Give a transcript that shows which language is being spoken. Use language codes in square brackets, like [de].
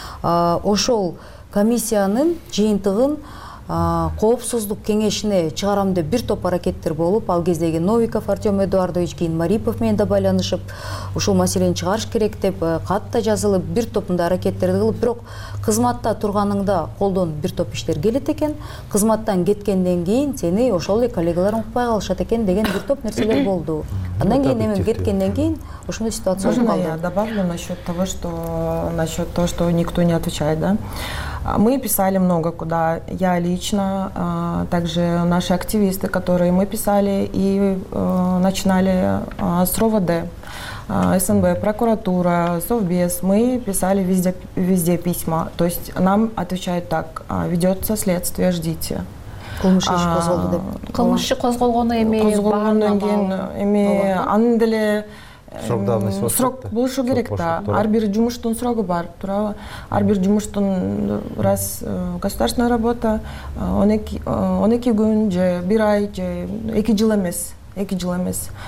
[ky] Ошол комиссиянын жыйынтыгын коопсуздук кеңешине чыгарам деп бир топ аракеттер болуп, ал кездеги Новиков Артем Эдуардович, кийин Марипов менен да байланышып, ушул маселени чыгарыш керек деп кат да жазылып, бир топ мындай аракеттерди кылып, бирок кызматта турганыңда колдон бир топ иштер келет экен, кызматтан кеткенден кийин сени ошол эле коллегаларың укпай калышат экен деген бир топ нерселер болду. Андан кийин эми кеткенден кийин ушундай ситуация болуп калды. [ru] Можно я добавлю насчет того, что никто не отвечает, да? Мы писали много куда, я лично, также наши активисты, которые мы писали и начинали с РОВД, СНБ, прокуратура, Совбез, мы писали везде письма. То есть нам отвечают так: ведется следствие, ждите. [ky] Кылмыш иши козголду деп. Кылмыш иши козголгону эми козголгондон кийин эми анын деле [ru] срок давности [ky] болот. Срок болушу керек да. Ар бир жумуштун срогу бар, туурабы? Ар бир жумуштун [ru] раз государственная работа [ky] 12 күн же 1 ай же 2 жыл эмес. 2 жыл эмес.